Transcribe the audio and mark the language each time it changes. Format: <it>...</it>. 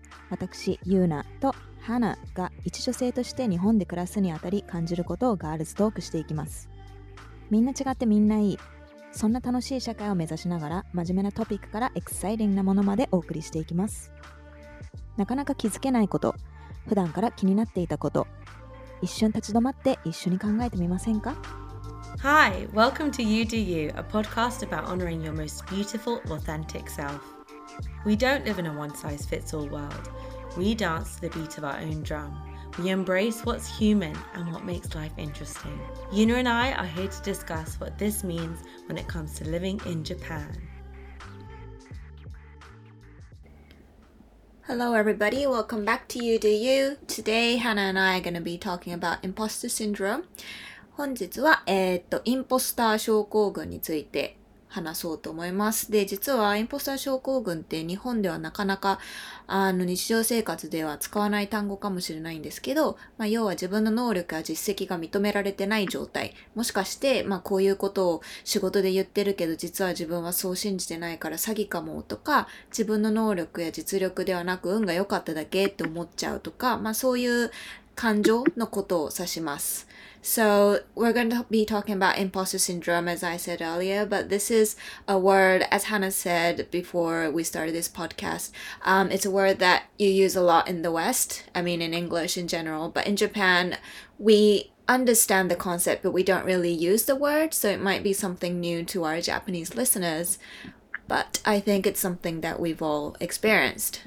<ja>私、ユーナとハナが一女性として日本で暮らすにあたり感じることをガールズトークしていきます。みんな違ってみんないい、そんな楽しい社会を目指しながら、真面目なトピックからエクサイティングなものまでお送りしていきます。なかなか気づけないこと、普段から気になっていたこと、一瞬立ち止まって一緒に考えてみませんか？</ja> <en>Hi, welcome to You Do You, a podcast about honoring your most beautiful, authentic self. We don't live in a one-size-fits-all world. We dance to the beat of our own drum. We embrace what's human and what makes life interesting. Yuna and I are here to discuss what this means when it comes to living in Japan. Hello everybody, welcome back to You Do You. Today, Hannah and I are going to be talking about imposter syndrome.</en> <ja>本日は、インポスター症候群について話そうと思います。で、実はインポスター症候群って日本ではなかなか、日常生活では使わない単語かもしれないんですけど、まあ、要は自分の能力や実績が認められてない状態。もしかして、まあ、こういうことを仕事で言ってるけど、実は自分はそう信じてないから詐欺かもとか、自分の能力や実力ではなく運が良かっただけって思っちゃうとか、まあ、そういう感情のことを指します。</ja> <en>So, we're going to be talking about imposter syndrome, as I said earlier, but this is a word, as Hannah said before we started this podcast, it's a word that you use a lot in the West, I mean in English in general, but in Japan, we understand the concept, but we don't really use the word, so it might be something new to our Japanese listeners, but I think it's something that we've all experienced.</en>